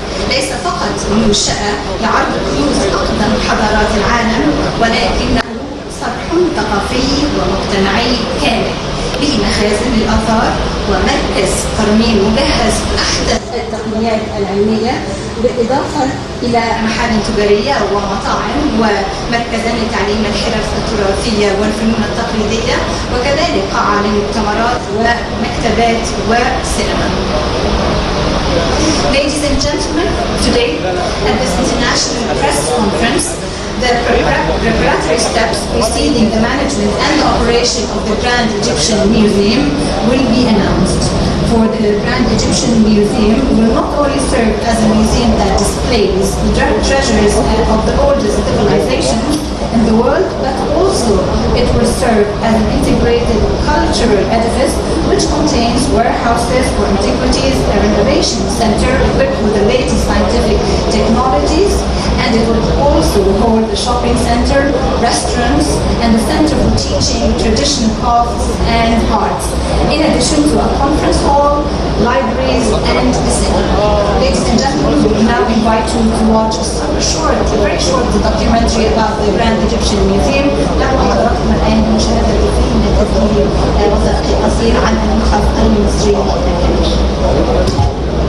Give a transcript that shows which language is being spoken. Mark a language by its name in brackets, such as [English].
[Arabic] ليس فقط منشأة لعرض كنوز أقدم حضارات العالم، ولكنه صرح ثقافي ومجتمعي كامل، به مخازن للآثار ومركز ترميم مجهز أحدث التقنيات العلمية، بالإضافة إلى محال تجارية ومطاعم ومركزان لتعليم الحرف التراثية والفنون التقليدية، وكذلك قاعة للمؤتمرات ومكتبات وسينما. [English] Ladies and gentlemen, today at this international press conference, the preparatory steps preceding the management and the operation of the Grand Egyptian Museum will be announced. For the Grand Egyptian Museum will not only serve as a museum that displays the treasures of the oldest civilization in the world, but also it will serve as an integrated cultural edifice which contains warehouses for antiquities, a renovation center equipped with the latest scientific technologies, and it will also hold a shopping center, restaurants, and a center for teaching traditional crafts and arts, in addition to a conference hall, libraries, and a cinema. Ladies and gentlemen, we now invite you to watch a short, a very short documentary about the Grand Egyptian Museum. [Arabic] نحن حضراتكم الآن مشاهدة فيلم تصوير وثائقي قصير عن المتحف المصري الكبير.